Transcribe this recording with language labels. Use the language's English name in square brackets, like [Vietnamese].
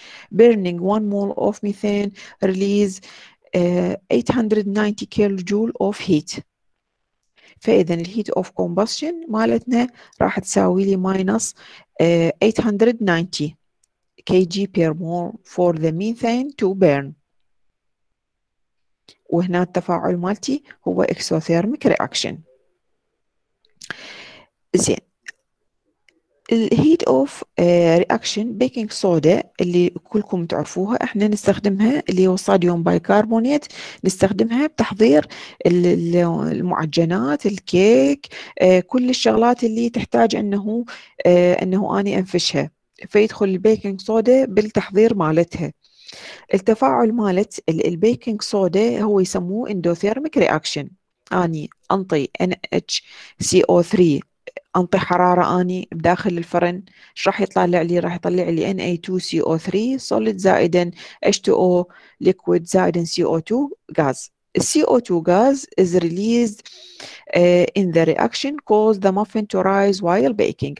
[English] Burning 1 mole of methane release 890 kilojoule of heat. فإذا الـ heat of combustion [Arabic] مالتنا راح تساوي لي [English] minus 890 kg per mole for the methane to burn. [Arabic] وهنا التفاعل مالتي هو exothermic reaction. زين الهيت اوف رياكشن بيكنج صودا اللي كلكم تعرفوها احنا نستخدمها اللي هو صوديوم بايكربونات، نستخدمها بتحضير المعجنات الكيك كل الشغلات اللي تحتاج انه اني انفشها، فيدخل البيكنج صودا بالتحضير مالتها. التفاعل مالت البيكنج صودا هو يسموه اندوثيرميك رياكشن. اني انطي NHCO3 أنطي حرارة آني بداخل الفرن، إيش راح يطلع لي؟ راح يطلع لي Na2CO3 solid زائد H2O liquid زائد CO2 gas. [English] CO2 gas is released in the reaction cause the muffin to rise while baking.